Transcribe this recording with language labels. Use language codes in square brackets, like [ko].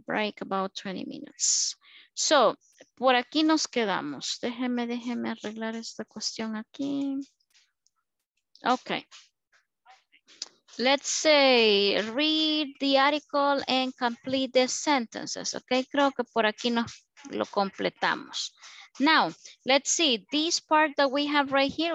[en] Break about 20 minutes. [es] So por aquí nos quedamos. Déjeme arreglar esta cuestión aquí. [en] Okay, let's say read the article and complete the sentences. [es] Okay, creo que por aquí nos lo completamos. [en] Now, let's see this part that we have right here.